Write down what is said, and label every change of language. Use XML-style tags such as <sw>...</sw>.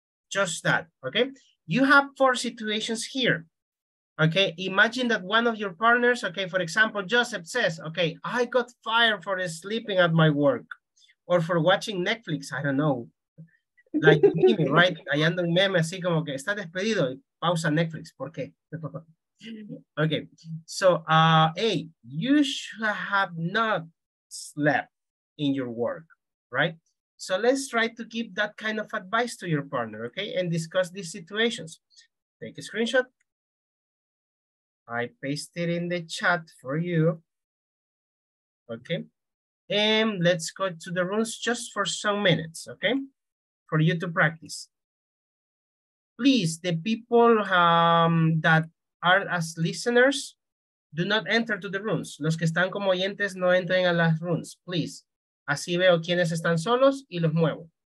<en>Just that, okay? You have four situations here, okay? Imagine that one of your partners, okay, for example, Joseph says, okay, I got fired for sleeping at my work or for watching Netflix, I don't know. Like me, right?</en> <es>I ando un meme así como que está despedido, pausa Netflix, ¿por qué?</es> <en>Okay, so you should have not slept in your work, right? So let's try to give that kind of advice to your partner, okay? And discuss these situations. Take a screenshot. I paste it in the chat for you, okay? And let's go to the rooms just for some minutes, okay? For you to practice. Please, the people that are as listeners, do not enter to the rooms.</en> <es>Los que están como oyentes no entren a las rooms, please. Así veo quiénes están solos y los muevo.</es>